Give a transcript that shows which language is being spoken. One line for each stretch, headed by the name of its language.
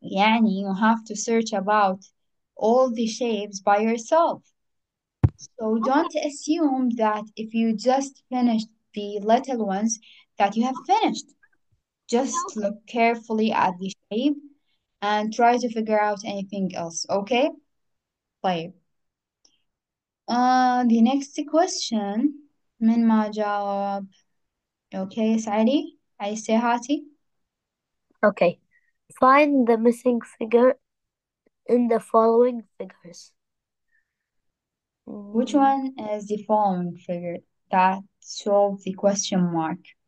English: يعني you have to search about all the shapes by yourself. So don't assume that if you just finished the little ones that you have finished. Just look carefully at the shape and try to figure out anything else, okay?
Arabic: طيب.
English: The next question,
Arabic: من ما جاوب؟
English: Okay, سعدي, علي سيهاتي. Okay, find the missing figure in the following figures. Which one is the following figure that solves the question mark?